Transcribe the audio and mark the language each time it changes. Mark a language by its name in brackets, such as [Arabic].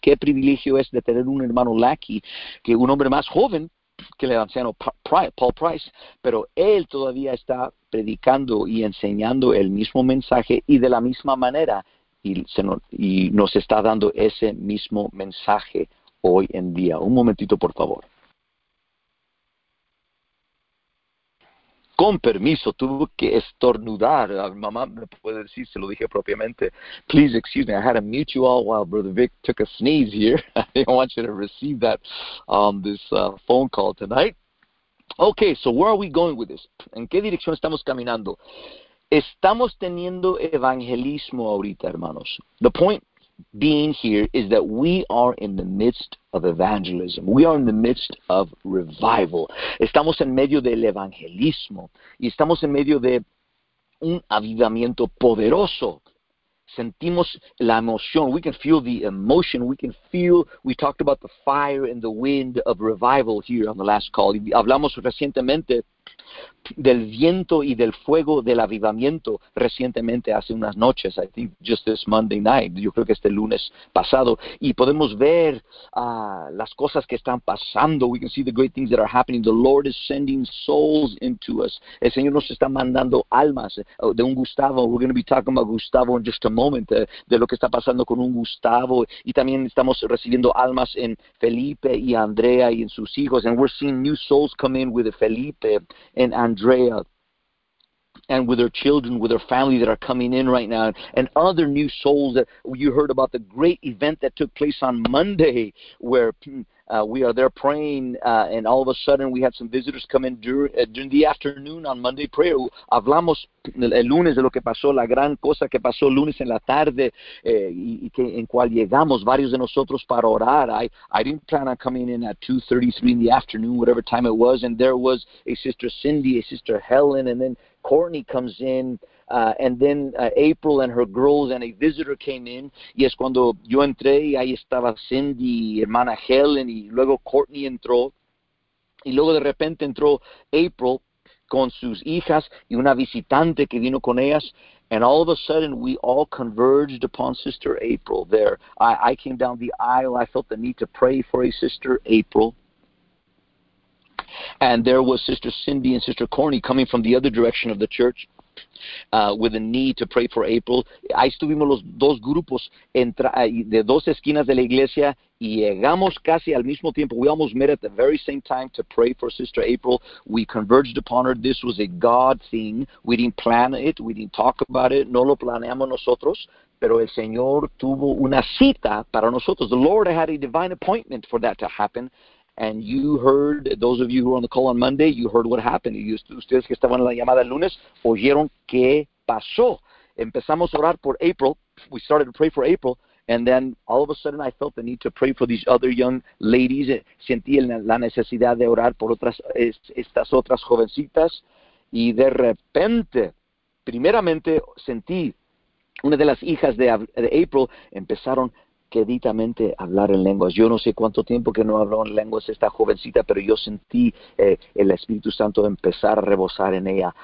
[Spanish] Qué privilegio es de tener un hermano Lackey, que un hombre más joven que el anciano Paul Price, pero él todavía está predicando y enseñando el mismo mensaje y de la misma manera, y nos está dando ese mismo mensaje hoy en día. Un momentito, por favor. Con permiso, tuve que estornudar. Mamá me puede decir, se lo dije propiamente. [English] Please excuse me, I had to mute you all while Brother Vic took a sneeze here. I didn't want you to receive that on this phone call tonight. Okay, so where are we going with this? [Spanish] ¿En qué dirección estamos caminando? Estamos teniendo evangelismo ahorita, hermanos. [English] The point being here is that we are in the midst of evangelism. We are in the midst of revival. [Spanish] Estamos en medio del evangelismo y estamos en medio de un avivamiento poderoso. Sentimos la emoción. [English] We can feel the emotion. We can feel, we talked about the fire and the wind of revival here on the last call. [Spanish] Hablamos recientemente del viento y del fuego del avivamiento recientemente, hace unas noches, [English] I think just this Monday night, [Spanish] yo creo que este lunes pasado, y podemos ver las cosas que están pasando. [English] We can see the great things that are happening. The Lord is sending souls into us. [Spanish] El Señor nos está mandando almas de un Gustavo. [English] We're going to be talking about Gustavo in just a moment, [Spanish] de lo que está pasando con un Gustavo, y también estamos recibiendo almas en Felipe y Andrea y en sus hijos, [English] and we're seeing new souls come in with Felipe and Andrea, and with their children, with their family that are coming in right now, and other new souls that you heard about, the great event that took place on Monday, where we are there praying, and all of a sudden we had some visitors come in during the afternoon on Monday prayer. [Spanish] Hablamos el lunes de lo que pasó, la gran cosa que pasó lunes en la tarde, y que en cual llegamos varios de nosotros para orar. [English] I didn't plan on coming in at 2:33 in the afternoon, whatever time it was, and there was a sister Cindy, a sister Helen, and then Courtney comes in, and then April and her girls and a visitor came in. [Spanish] Y es cuando yo entré, y ahí estaba Cindy, hermana Helen, y luego Courtney entró. Y luego de repente entró April con sus hijas y una visitante que vino con ellas. [English] And all of a sudden, we all converged upon Sister April there. I came down the aisle. I felt the need to pray for a Sister April. And there was Sister Cindy and Sister Corny coming from the other direction of the church. with a need to pray for April. [Spanish] Ahí estuvimos los dos grupos de dos esquinas de la iglesia y llegamos casi al mismo tiempo. [English] We almost met at the very same time to pray for Sister April. We converged upon her. This was a God thing. We didn't plan it. We didn't talk about it. [Spanish] No lo planeamos nosotros. Pero el Señor tuvo una cita para nosotros. [English] The Lord had a divine appointment for that to happen. And you heard, those of you who were on the call on Monday, you heard what happened. [Spanish] Ustedes que estaban en la llamada el lunes, oyeron qué pasó. Empezamos a orar por April. [English] We started to pray for April. And then all of a sudden I felt the need to pray for these other young ladies. [Spanish] Sentí la necesidad de orar por estas otras jovencitas. Y de repente, primeramente sentí una de las hijas de April empezaron queditamente a hablar en lenguas. Yo no sé cuánto tiempo que no habló en lenguas esta jovencita, pero yo sentí el Espíritu Santo empezar a rebosar en ella.